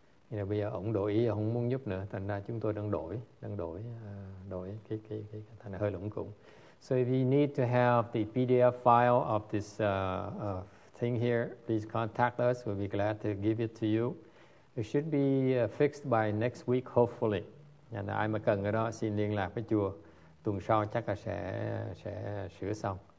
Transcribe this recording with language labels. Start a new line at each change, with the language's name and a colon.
Vietnamese: Nhưng mà bây giờ ổng đổi ý, ổng không muốn giúp nữa, thành ra chúng tôi đang đổi cái thành hơi lủng củng.
English: So if you need to have the PDF file of this thing here, please contact us. We'll be glad to give it to you. It should be fixed by next week, hopefully.
Vietnamese: And ai mà cần cái đó xin liên lạc với chùa. Tuần sau chắc là sẽ sửa xong.